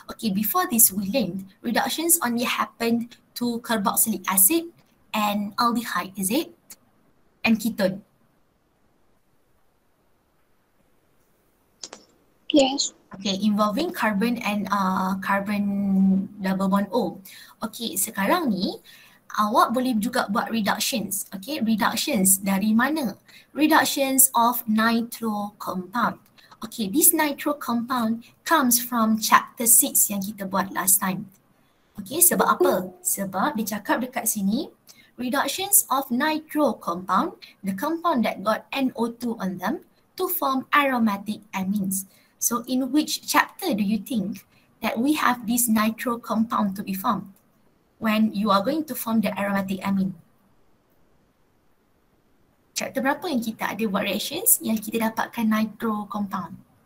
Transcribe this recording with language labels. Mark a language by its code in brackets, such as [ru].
[en] Okay, before this we learned, reductions only happened to carboxylic acid and aldehyde, is it? And ketone. Yes. Okay, involving carbon and carbon double bond O. [ms] Okay, sekarang ni, awak boleh juga buat reductions. Okay, reductions dari mana? [en] Reductions of nitro compound. Okay, this nitro compound comes from chapter 6 [ms] yang kita buat [en] last time. Okay, [ms] sebab apa? Sebab dia cakap dekat sini, [en] reductions of nitro compound, the compound that got NO2 on them, to form aromatic amines. So, in which chapter do you think that we have this nitro compound to be formed? When you are going to form the aromatic amine. [ms] Chapter berapa yang kita ada buat reactions yang kita dapatkan nitro compound?